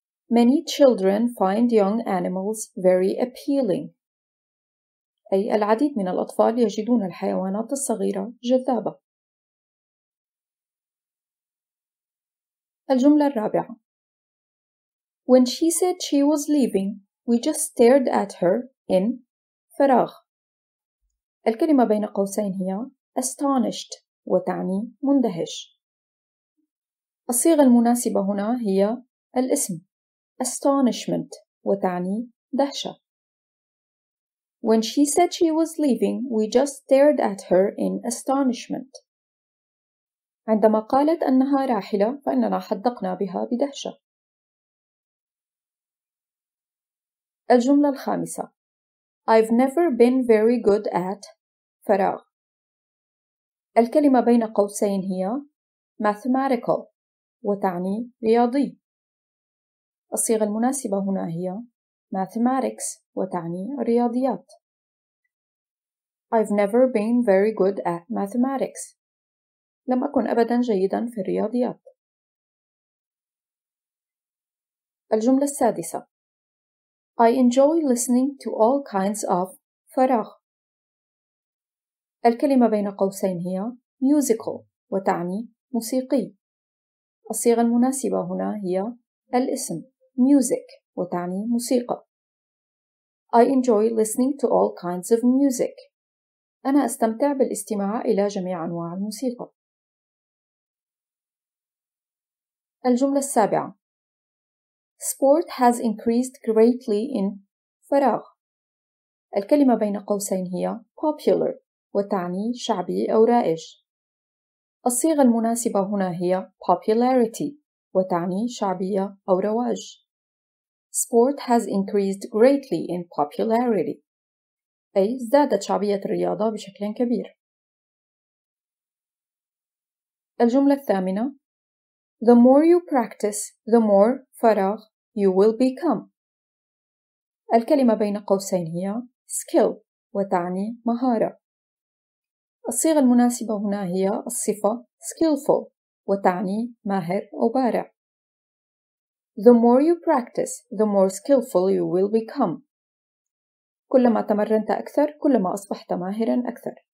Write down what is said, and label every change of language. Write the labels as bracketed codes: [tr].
[en] Many children find young animals very appealing. [ar] أي العديد من الأطفال يجدون الحيوانات الصغيرة جذابة. الجملة الرابعة. [en] When she said she was leaving, we just stared at her in فراغ. [ar] الكلمة بين قوسين هي astonished وتعني مندهش. الصيغة المناسبة هنا هي الاسم astonishment وتعني دهشة. [en] When she said she was leaving, we just stared at her in astonishment. [ar] عندما قالت أنها راحلة فإننا حدقنا بها بدهشة. الجملة الخامسة. [en] I've never been very good at فراغ. [ar] الكلمة بين قوسين هي mathematical وتعني رياضي. الصيغة المناسبة هنا هي mathematics وتعني الرياضيات. [en] I've never been very good at mathematics. [ar] لم أكن أبدا جيدا في الرياضيات. الجملة السادسة. [en] I enjoy listening to all kinds of فراغ. [ar] الكلمة بين قوسين هي musical وتعني موسيقي. الصيغة المناسبة هنا هي الاسم music وتعني موسيقى. [en] I enjoy listening to all kinds of music. [ar] أنا أستمتع بالاستماع إلى جميع أنواع الموسيقى. الجملة السابعة. [en] Sport has increased greatly in فراغ. [ar] الكلمة بين قوسين هي popular وتعني شعبي أو رائج. الصيغة المناسبة هنا هي popularity وتعني شعبية أو رواج. [en] Sport has increased greatly in popularity. [ar] أي ازدادت شعبية الرياضة بشكل كبير. الجملة الثامنة. [en] The more you practice, the more فراغ you will become. [ar] الكلمة بين قوسين هي skill وتعني مهارة. الصيغة المناسبة هنا هي الصفة skillful وتعني ماهر أو بارع. [en] The more you practice, the more skillful you will become. [ar] كلما تمرنت أكثر، كلما أصبحت ماهراً أكثر.